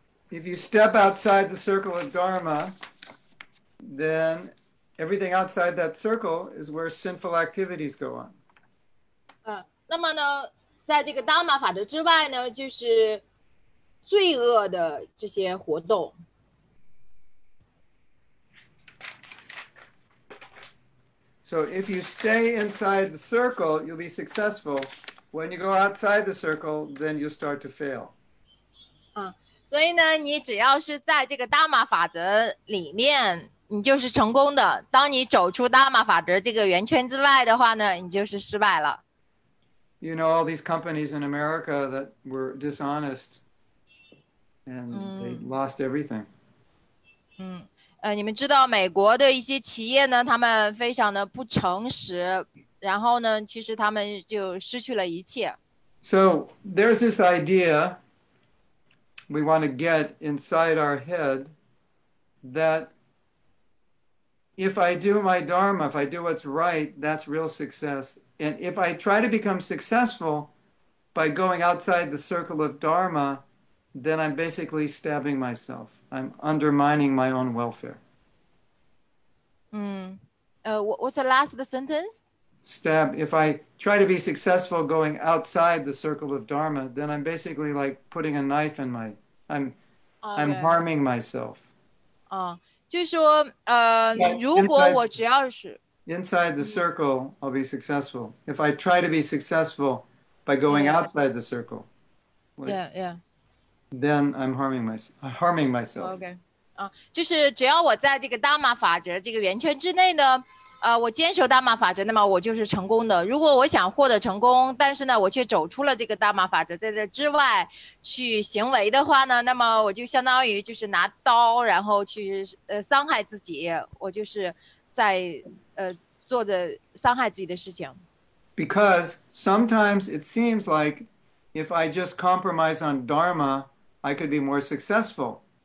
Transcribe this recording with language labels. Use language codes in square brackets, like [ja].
[en] If you step outside the circle of Dharma, then everything outside that circle is where sinful activities go on. [zh] 那么呢，在这个达玛法则之外呢，就是罪恶的这些活动。 [en] So if you stay inside the circle, you'll be successful. When you go outside the circle, then you start to fail. [zh] 所以呢，你只要是在这个达玛法则里面，你就是成功的。当你走出达玛法则这个圆圈之外的话呢，你就是失败了。 [en] You know all these companies in America that were dishonest and they lost everything. [zh] 你们知道美国的一些企业呢，他们非常的不诚实，然后呢，其实他们就失去了一切。 [en] So there's this idea. We want to get inside our head that if I do my dharma, if I do what's right, that's real success. And if I try to become successful by going outside the circle of dharma, then I'm basically stabbing myself. I'm undermining my own welfare. What's the last sentence? Stab. If I try to be successful going outside the circle of dharma, then I'm basically like putting a knife in my... I'm harming myself. [zh] 就是说如果我只要是 [en] inside the circle, I'll be successful. If I try to be successful by going outside the circle, then I'm harming myself. Okay. [zh] 就是只要我在这个达玛法则这个圆圈之内呢，我坚守达玛法则，那么我就是成功的。如果我想获得成功，但是呢，我却走出了这个达玛法则，在这之外去行为的话呢，那么我就相当于就是拿刀，然后去伤害自己。我就是在做着伤害自己的事情。 [en] Because sometimes it seems like if I just compromise on dharma, I could be more successful.